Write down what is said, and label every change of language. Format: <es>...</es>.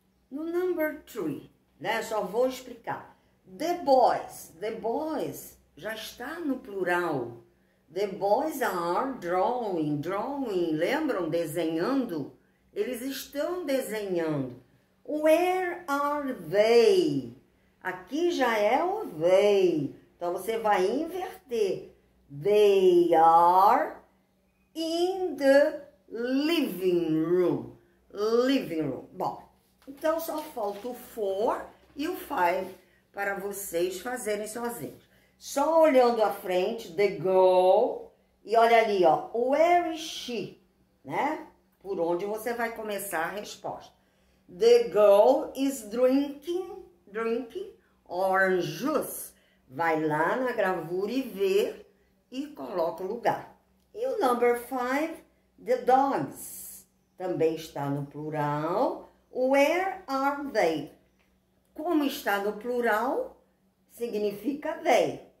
<pt>No</pt> <en>number 3,</en> <pt>né? Só vou explicar.</pt> <en>The boys,</en> <pt>já está no plural.</pt> <en>The boys are drawing,</en> <pt>lembram? Desenhando. Eles estão desenhando.</pt> <en>Where are they?</en> <pt>Aqui já é o they. Então, você vai inverter.</pt> <en>They are in the living room. Living room.</en> <pt>Bom, então só falta o 4 e o 5 para vocês fazerem sozinhos. Só olhando à frente,</pt> <en>the girl.</en> <pt>E olha ali, ó.</pt> <en>Where is she?</en> <pt>Né? Por onde você vai começar a resposta.</pt> <en>The girl is drinking orange juice.</en> <pt>Vai lá na gravura e vê e coloca o lugar. E o</pt> <en>number 5, the dogs.</en> <pt>Também está no plural.</pt> <en>Where are they?</en> <pt>Como está no plural, significa they.</pt>